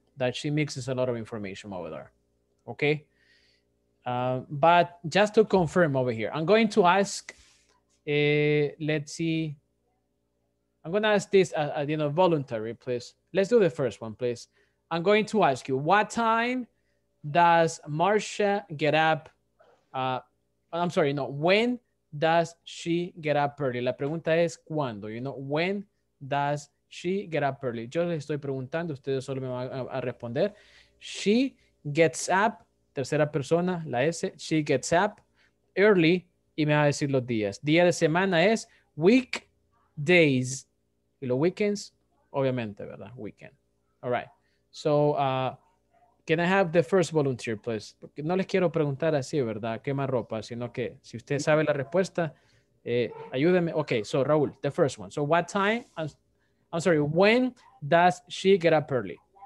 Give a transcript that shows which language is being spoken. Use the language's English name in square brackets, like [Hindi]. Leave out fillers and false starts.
[English] That she mixes a lot of information over there. Okay. But just to confirm over here, I'm going to ask, let's see, I'm going to ask this, voluntary, please. Let's do the first one, please. I'm going to ask you, what time does Marcia get up? When does she get up early? [Spanish] La pregunta es, ¿cuándo? [English] You know, when does she get up early? [Spanish] Yo les estoy preguntando, ustedes solo me van a responder. [English] She gets up. [Spanish] Tercera persona, la S, [English] she gets up early [Spanish] y me va a decir los días. Día de semana es weekdays. Y los weekends, obviamente, ¿verdad? Weekend. [English] All right. So, can I have the first volunteer, please? [Spanish] Porque no les quiero preguntar así, ¿verdad? Quema ropa, sino que si usted sabe la respuesta, ayúdeme. [English] Okay, so Raúl, the first one. So, what time, when does she get up early?